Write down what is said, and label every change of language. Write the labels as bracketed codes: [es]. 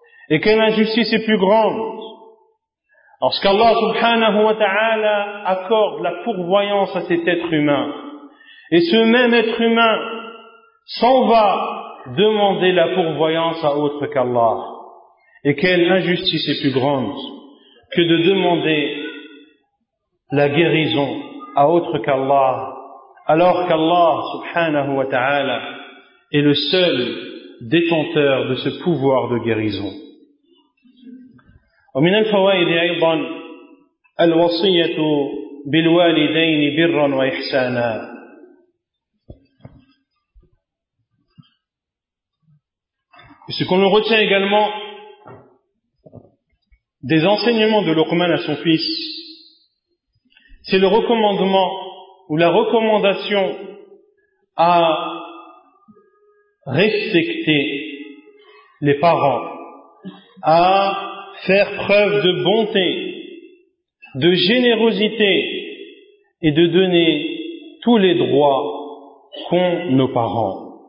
[fr] Et quelle injustice est plus grande lorsqu'Allah subhanahu wa ta'ala accorde la pourvoyance à cet être humain, et ce même être humain s'en va demander la pourvoyance à autre qu'Allah. Et quelle injustice est plus grande que de demander la guérison à autre qu'Allah, alors qu'Allah subhanahu wa ta'ala est le seul détenteur de ce pouvoir de guérison. [ar] ومن الفوائد أيضا الوصية بالوالدين برا وإحسانا. [fr] Ce qu'on retient également des enseignements de Luqman à son fils, c'est le recommandement ou la recommandation à respecter les parents, à faire preuve de bonté, de générosité et de donner tous les droits qu'ont nos parents.